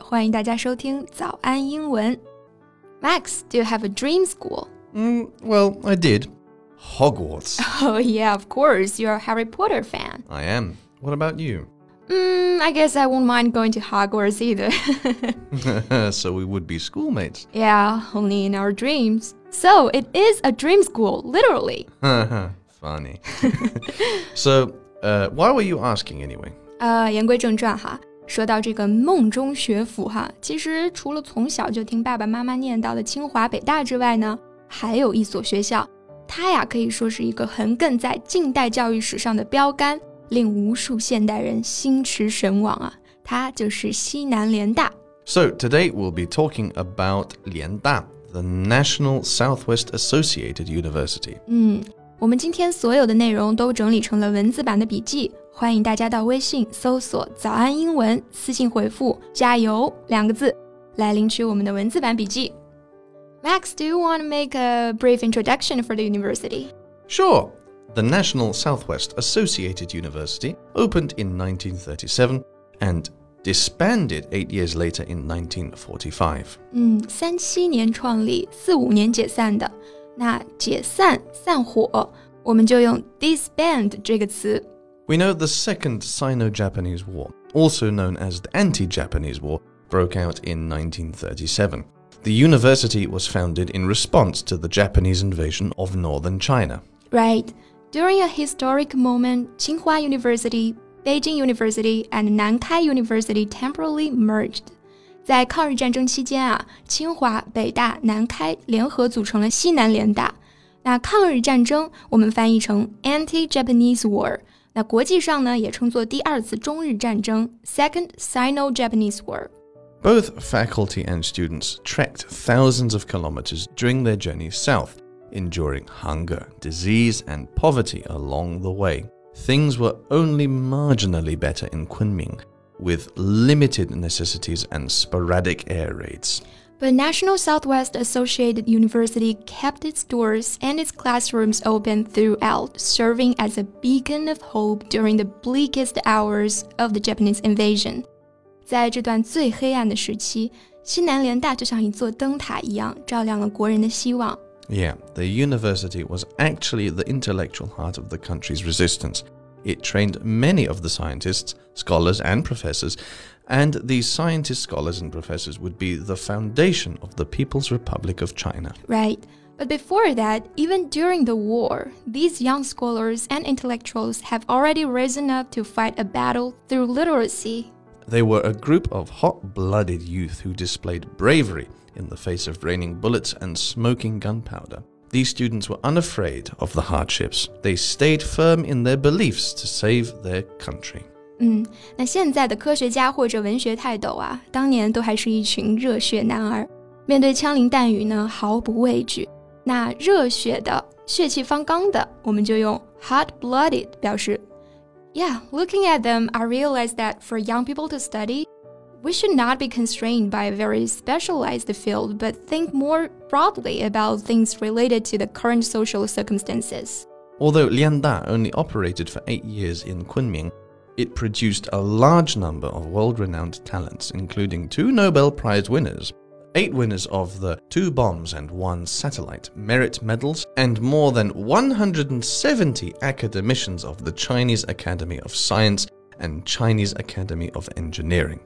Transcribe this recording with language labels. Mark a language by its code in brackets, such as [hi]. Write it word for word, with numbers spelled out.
[zh] 欢迎大家收听早安英文。 [en] Max, do you have a dream school? Mm, well, I did. Hogwarts. Oh yeah, of course. You're a Harry Potter fan. I am. What about you? Mm, I guess I won't mind going to Hogwarts either. So we would be schoolmates. Yeah, only in our dreams. So it is a dream school, literally. Funny. So, uh, why were you asking anyway? [zh] 呃，言归正传哈，说到这个梦中学府哈，其实除了从小就听爸爸妈妈念叨的清华北大之外呢，还有一所学校，它呀可以说是一个横亘在近代教育史上的标杆，令无数现代人心驰神往啊，它就是西南联大。 [en] So today we'll be talking about 联大 the National Southwest Associated University. 嗯。 [zh] 我们今天所有的内容都整理成了文字版的笔记，欢迎大家到微信搜索早安英文，私信回复加油两个字来领取我们的文字版笔记。 [en] Max, do you want to make a brief introduction for the university? Sure. The National Southwest Associated University opened in nineteen thirty-seven and disbanded eight years later in nineteen forty-five. [zh] 嗯，三七年创立，四五年解散的。那解散散伙我们就用 disband 这个词。 [en] We know the Second Sino-Japanese War, also known as the Anti-Japanese War, broke out in nineteen thirty-seven. The university was founded in response to the Japanese invasion of northern China. Right. During a historic moment, Tsinghua University, Beijing University, and Nankai University temporarily merged. [zh] 在抗日战争期间啊，清华、北大、南开联合组成了西南联大。那抗日战争我们翻译成 Anti-Japanese War， 那国际上呢也称作第二次中日战争 Second Sino-Japanese War。 [en] Both faculty and students trekked thousands of kilometers during their journey south, enduring hunger, disease and poverty along the way. Things were only marginally better in Kunming. With limited necessities and sporadic air raids. But National Southwest Associated University kept its doors and its classrooms open throughout, serving as a beacon of hope during the bleakest hours of the Japanese invasion. [zh] 在这段最黑暗的时期，西南联大就像一座灯塔一样，照亮了国人的希望。 [en] Yeah, the university was actually the intellectual heart of the country's resistance. It trained many of the scientists, scholars, and professors, and these scientists, scholars, and professors would be the foundation of the People's Republic of China. Right. But before that, even during the war, these young scholars and intellectuals have already risen up to fight a battle through literacy. They were a group of hot-blooded youth who displayed bravery in the face of raining bullets and smoking gunpowder. These students were unafraid of the hardships. They stayed firm in their beliefs to save their country. [zh] 嗯，那现在的科学家或者文学泰斗啊，当年都还是一群热血男儿，面对枪林弹雨呢，毫不畏惧。那热血的、血气方刚的，我们就用 hot-blooded 表示。 [en] Yeah, looking at them, I realized that for young people to study, we should not be constrained by a very specialized field, but think more broadly about things related to the current social circumstances. Although Lianda only operated for eight years in Kunming, it produced a large number of world-renowned talents, including two Nobel Prize winners, eight winners of the Two Bombs and One Satellite merit medals, and more than one hundred seventy academicians of the Chinese Academy of Science,and Chinese Academy of Engineering.